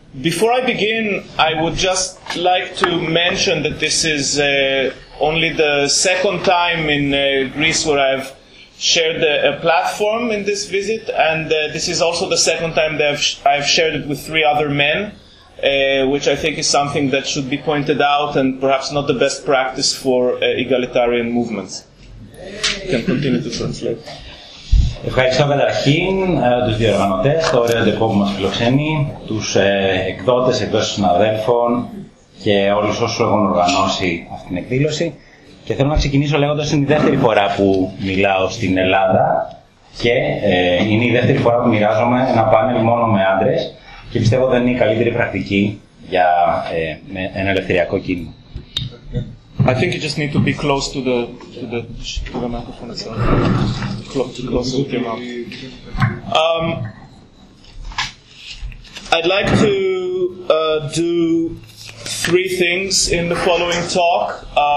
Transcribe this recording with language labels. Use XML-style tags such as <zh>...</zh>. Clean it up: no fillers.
<en>Before I begin, I would just like to mention that this is only the second time in Greece where I've shared a platform in this visit, and this is also the second time that I've shared it with three other men, which I think is something that should be pointed out and perhaps not the best practice for egalitarian movements. You can continue to translate.</en> <el>Ευχαριστώ καταρχήν τους διοργανωτές, το ωραίο ντεπό που μας φιλοξενεί, τους εκδότες, εκδόσεις συναδέλφων και όλους όσους έχουν οργανώσει αυτή την εκδήλωση. Και θέλω να ξεκινήσω λέγοντας ότι είναι η δεύτερη φορά που μιλάω στην Ελλάδα και είναι η δεύτερη φορά που μοιράζομαι ένα πάνελ μόνο με άντρες και πιστεύω δεν είναι η καλύτερη πρακτική για ένα ελευθεριακό κίνημα.</el> <en>I think you just need to be close to the microphone itself. Close with your mouth. I'd like to do three things in the following talk.</en>